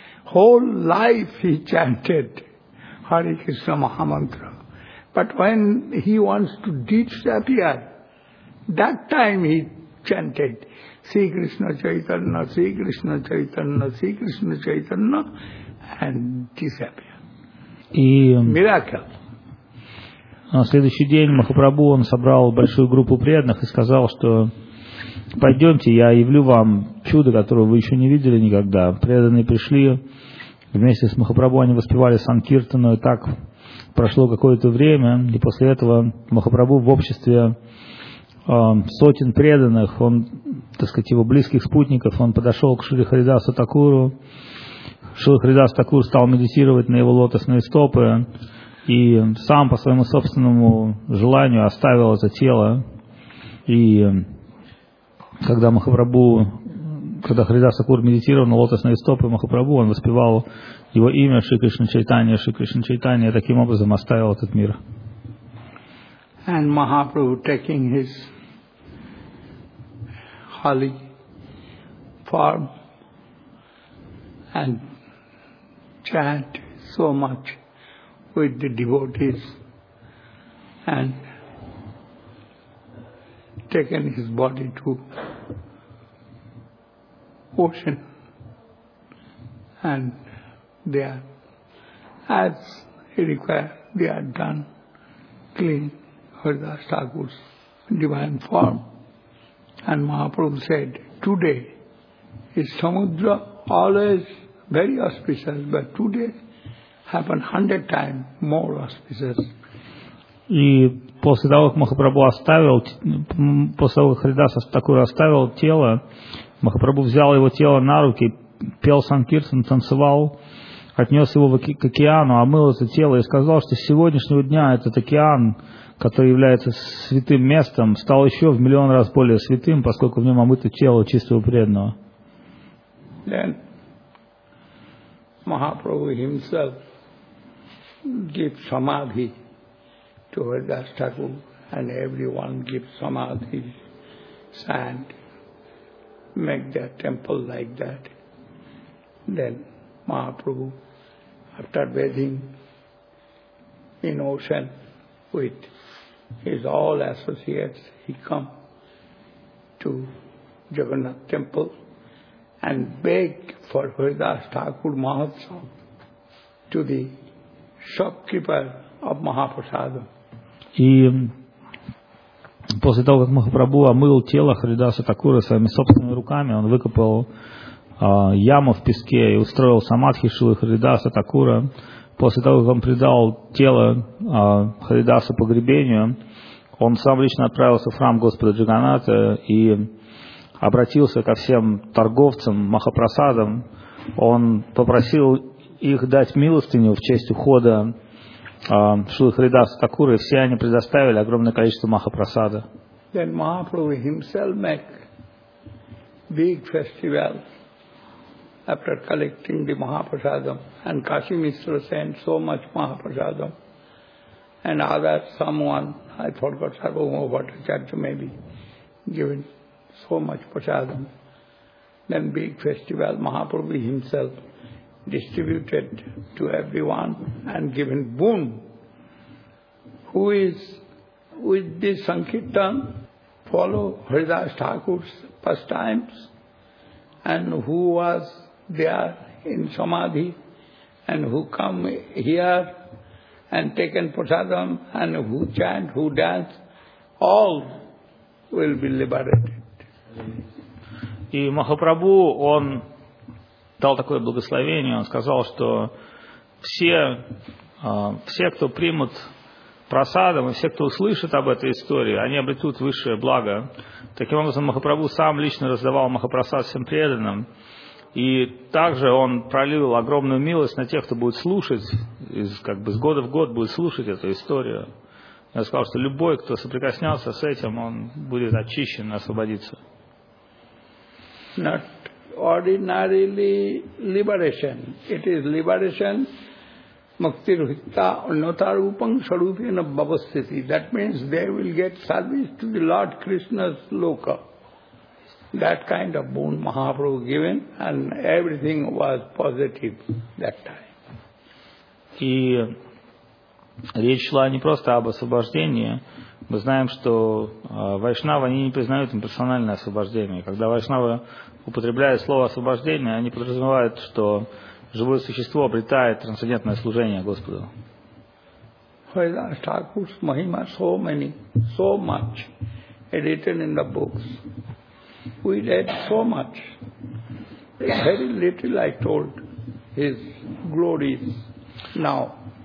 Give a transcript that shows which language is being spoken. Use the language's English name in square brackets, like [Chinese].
[English] Whole life he chanted Hare Krishna Maha Mantra. But when he wants to disappear, that time he chanted Sri Krishna Chaitanya, Sri Krishna Chaitanya, Sri Krishna Chaitanya and disappear. Miracle. [Russian] На следующий день Махапрабху он собрал большую группу преданных и сказал, что пойдемте, я явлю вам чудо, которое вы еще не видели никогда. Преданные пришли вместе с Махапрабху, они воспевали Санкиртану, и так прошло какое-то время, и после этого Махапрабху в обществе сотен преданных, он, так сказать, его близких спутников, он подошел к Шри Харидасу Такуру. Шри Харидас Такур стал медитировать на его лотосные стопы и сам по своему собственному желанию оставил это тело. И когда Махапрабху, когда Харидас Такур медитировал на лотосные стопы Махапрабху, он воспевал его имя Шри Кришна Чайтанья, Шри Кришна Чайтанья, таким образом оставил этот мир. [English] And Mahaprabhu taking his holy form and chant so much with the devotees and taken his body to ocean and they are as he required, they are done clean Haridas Thakur's divine form. And Mahaprabhu said, today is Samudra, always very auspicious, but today happened 100 times more auspicious. [Russian] И после того, как Махапрабху оставил, после того, как Харидас Такур оставил тело, Махапрабху взял его тело на руки, пел Санкиртан, танцевал, отнес его к океану, омыл это тело и сказал, что с сегодняшнего дня этот океан, который является святым местом, стал еще в 1 000 000 раз более святым, поскольку в нем омыто тело чистого преданного. [English] Then Mahaprabhu himself gave samadhi to Haridas Thakur and everyone gave samadhi and make their temple like that. Then Mahaprabhu, after bathing in ocean with his all associates, he come to Jagannath temple and beg for Haridas Thakur Mahatsav to the shopkeeper of Mahaprasada. [Russian] И после того, как Махапрабху омыл тело Харидаса Такура своими собственными руками, он выкопал яму в песке и устроил самадхи Шилы Харидаса Такура. После того, как он предал тело Харидаса погребению, он сам лично отправился в храм Господа Джаганната и обратился ко всем торговцам Махапрасадам. Он попросил их дать милостыню в честь ухода Шилы Харидаса Такура, и все они предоставили огромное количество Махапрасада. [English] Then Mahaprabhu himself make big festival after collecting the Mahaprasadam. And Kashi Mishra sent so much Mahaprasadam. And other someone, I forgot Sarvabhauma Bhattacharya may be given so much prasadam. Then big festival, Mahaprabhu himself distributed to everyone and given boon. Who is with this Sankirtan, follow Haridas Thakur's pastimes, and who was there in Samadhi, and who come here and taken prasadam, and who chant, who dance, all will be liberated. [Russian] И Махапрабху, он дал такое благословение, он сказал, что все, кто примут прасадам, и все, кто услышит об этой истории, они обретут высшее благо. Таким образом, Махапрабху сам лично раздавал Махапрасад всем преданным. И также он пролил огромную милость на тех, кто будет слушать, как бы с года в год будет слушать эту историю. Я сказал, что любой, кто соприкоснется с этим, он будет очищен, освободиться. [English] Not ordinarily liberation. It is liberation [Sanskrit] muktirhita unnatarupam sarupena bhavastiti. [English] That means they will get service to the Lord Krishna's loka. That kind of boon Mahaprabhu given, and everything was positive that time. [Russian] И речь шла не просто об освобождении. Мы знаем, что вайшнавы, они не признают имперсональное освобождение. Когда вайшнавы употребляют слово освобождение, они подразумевают, что живое существо обретает трансцендентное служение Господу. [English] Haridas Thakur's mahima so many, so much written in the books. We read so much. Very little I told his glories now.